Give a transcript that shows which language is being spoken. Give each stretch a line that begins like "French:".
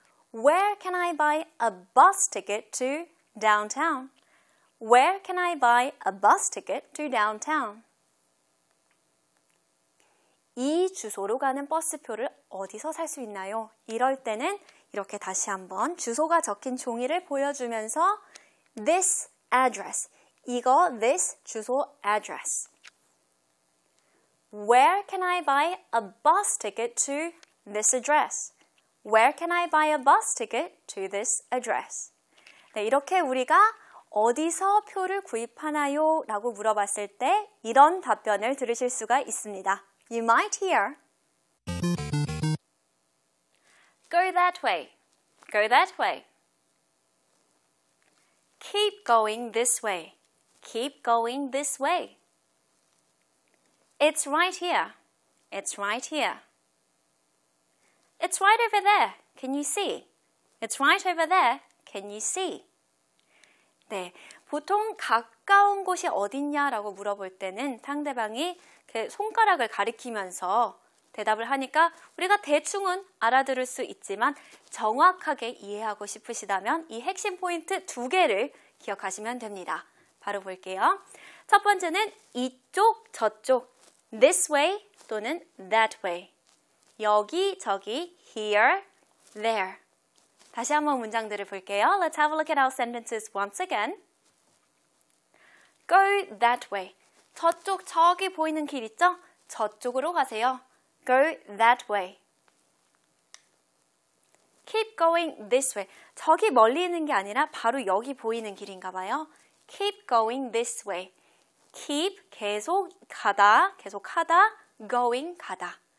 English: Where can I buy a bus ticket to downtown? Where can I buy a bus ticket to downtown?
Korean: 이 주소로 가는 버스표를 어디서 살 수 있나요? 이럴 때는 이렇게 다시 한번 주소가 적힌 종이를 보여주면서 this address, 이거 this 주소 address.
English: Where can I buy a bus ticket to this address? Where can I buy a bus ticket to this address?
Korean: 네, 이렇게 우리가 어디서 표를 구입하나요? 라고 물어봤을 때 이런 답변을 들으실 수가 있습니다.
English: You might hear, go that way, go that way. Keep going this way, keep going this way. It's right here, it's right here. It's right over there, can you see? It's right over there, can you see?
Korean: 네, 보통 가까운 곳이 어딨냐라고 물어볼 때는 상대방이 손가락을 가리키면서 대답을 하니까 우리가 대충은 알아들을 수 있지만 정확하게 이해하고 싶으시다면 이 핵심 포인트 두 개를 기억하시면 됩니다. 바로 볼게요. 첫 번째는 이쪽, 저쪽,
English: This way 또는 that way. 여기, 저기, here, there.
Korean: 다시 한번 문장들을 볼게요.
English: Let's have a look at our sentences once again. Go that way.
Korean: 저쪽 저기 보이는 길 있죠?
English: 저쪽으로 가세요. Go that way. Keep going this way.
Korean: 저기 멀리 있는 게 아니라 바로 여기 보이는 길인가 봐요.
English: Keep going this way. Keep 계속 가다, going 가다.